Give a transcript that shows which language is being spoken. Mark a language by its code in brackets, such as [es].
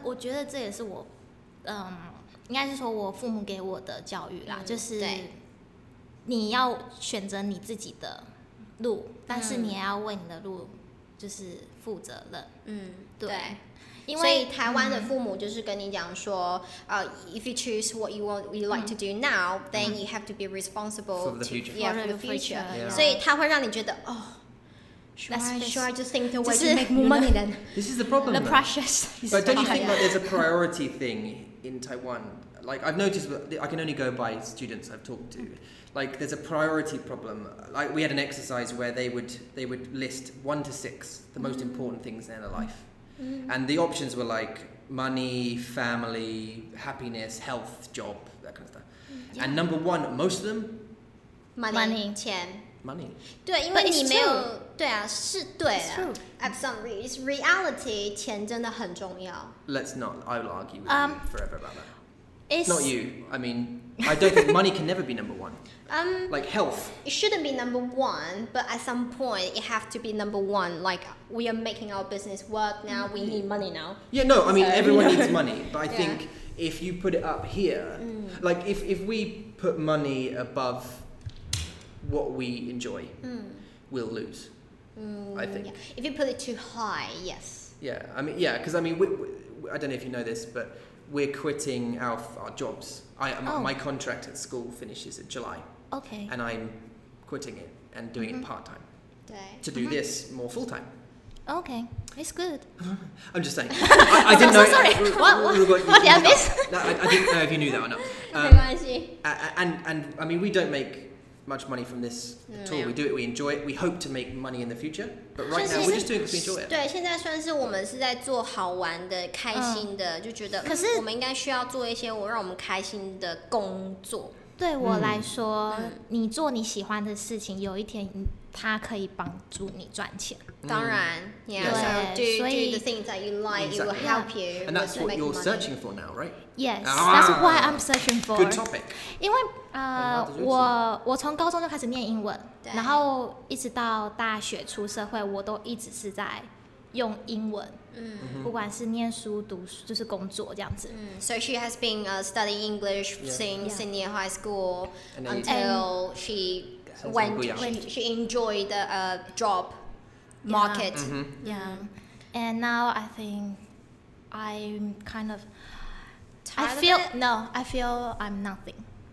[zh] 我觉得这也是我，应该是说我父母给我的教育啦，就是你要选择你自己的路，但是你也要为你的路就是负责任。嗯，对。因为所以台湾的父母就是跟你讲说， [en] if you choose what you want, you like to do now, then you have to be responsible for the future. Yeah, for the future. Yeah. [zh] 所以他会让你觉得，哦。 [en] Should I just think the way to make more money then? This is the problem. The precious. But don't you think that there's a priority thing in Taiwan? Like, I've noticed, I can only go by students I've talked to. Like, there's a priority problem. Like, we had an exercise where they would list 1 to 6 the most important things in their life. And the options were like money, family, happiness, health, job, that kind of stuff. And number one, most of them? Money. [zh] 对，因为你没有，对啊，是对的。 [en] Absolutely, it's reality. [zh] 钱真的很重要。 [en] Let's not. I will argue with you forever about that. Not you. I mean, I don't think money can never be number one. Like health. It shouldn't be number one, but at some point, it has to be number one. Like we are making our business work now. We need money now. Yeah. No. I mean, everyone needs money, but I think if you put it up here, like if we put money above. What we enjoy, we'll lose. I think if you put it too high, yes. Yeah, I mean, yeah, because I mean, we, I don't know if you know this, but we're quitting our jobs. My contract at school finishes in July. Okay. And I'm quitting it and doing it part time. [zh] 对. [en] To do this more full time. Okay, it's good. I'm just saying. I didn't know. So sorry. What did I miss? I didn't know if you knew that or not. And I mean, we don't make. Much money from this at all. We do it, we enjoy it. We hope to make money in the future, but right now we're just doing it because we enjoy it. [zh] 对，现在算是我们是在做好玩的、开心的，就觉得可是我们应该需要做一些我让我们开心的工作。对我来说，你做你喜欢的事情，有一天它可以帮助你赚钱。当然，对，所以 [en] do the things that you like, it will help you. And that's what you're searching for now, right? Yes, that's why I'm searching for. Good topic. [zh] 因为我从高中就开始念英文，然后一直到大学出社会，我都一直是在用英文，不管是念书、读书，就是工作这样子。 [en] So she has been studying English since senior high school until she went, she enjoyed the job market. And now I think I'm kind of, I feel I'm nothing.